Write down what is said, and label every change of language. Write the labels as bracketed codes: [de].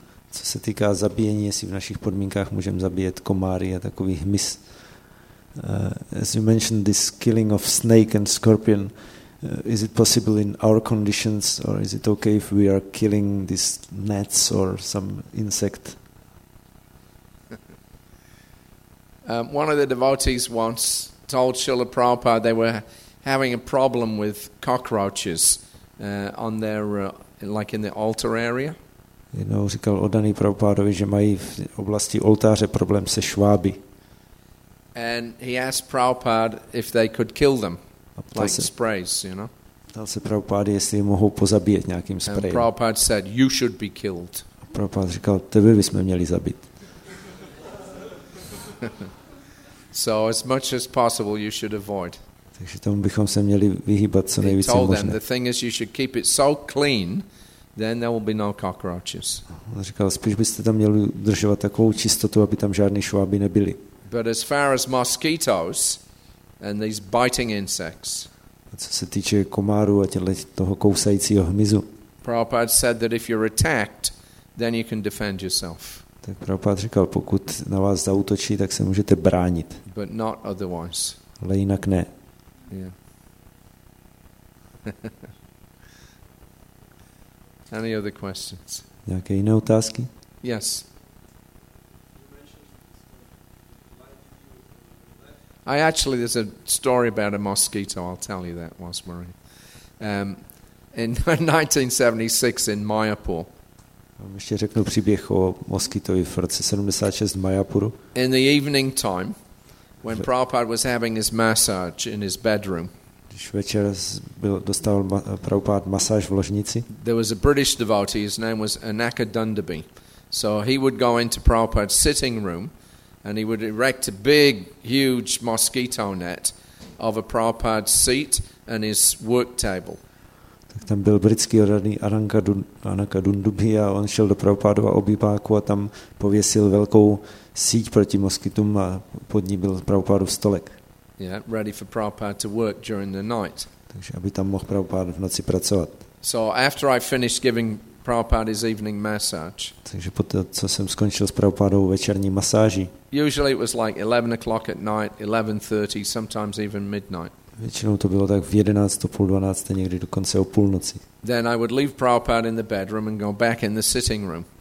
[cs] co se týká zabíjení, jestli v našich podmínkách můžeme zabíjet komáry a takový hmyz. [en] As you mentioned, this killing of snake and scorpion, is it possible in our conditions, or is it okay if we are killing these gnats or some insect? One of the devotees once told Srila Prabhupada they were having a problem with cockroaches on their like in the altar area. [cs] Jednou říkal oddaný Prabhupádovi, že mají v oblasti oltáře problém se šváby. [en] And he asked Prabhupada if they could kill them, like se, sprays, you know. [cs] Ptal se Prabhupáda, jestli je mohou pozabíjet nějakým sprayem. [en] And Prabhupada said, you should be killed. [cs] A Prabhupáda říkal, tebe bychom měli zabít. [en] So as much as possible you should avoid. [cs] Takže tomu bychom se měli vyhýbat co nejvíc možné. [en] He told them the thing is you should keep it so clean, then there will be no cockroaches. [cs] On říkal, spíš byste tam měli udržovat takovou čistotu, aby tam žádné šváby nebyly. [en] But as far as mosquitoes and these biting insects. [cs] A co se týče komáru a toho kousajícího hmyzu. [en] Prabhupada said that if you're attacked, then you can defend yourself. [cs] Tak Prabhupada říkal, pokud na vás zaútočí, tak se můžete bránit. [en] But not otherwise. [cs] Ale jinak ne. [en] Yeah. Any other questions? [cs] Nějaké jiné otázky? [en] Yes. I actually, there's a story about a mosquito, I'll tell you that once we're in. In 1976 in Mayapur, [cs] vám ještě řeknu příběh o moskytovi v roce 76 v Mayapuru. [en] In the evening time, when Prabhupada was having his massage in his bedroom. [cs] Když večer byl dostal Prabhupád masáž v ložnici. [en] There was a British devotee, his name was Anaka Dundaby. So he would go into Prabhupád's sitting room and he would erect a big huge mosquito net of a Prabhupád's seat and his work table. [cs] Tak tam byl britský odhadný Anaka Dundaby a on šel do Prabhupádova obýváku a tam pověsil velkou síť proti moskytům a pod ní byl Prabhupádův stolek. [en] Yeah, ready for Prabhupád to work during the night. [cs] Takže aby tam mohl Prabhupád v noci pracovat. [en] So after I finished giving Prabhupád his evening massage. [cs] Takže poté, co jsem skončil s Prabhupádovou večerní masáží. [en] Usually it was like 11 o'clock at night, 11:30, sometimes even midnight. [cs] Většinou to bylo tak v 11, 11:30, někdy dokonce o půlnoci. [en] Then I would leave Prabhupád in the bedroom and go back in the sitting room.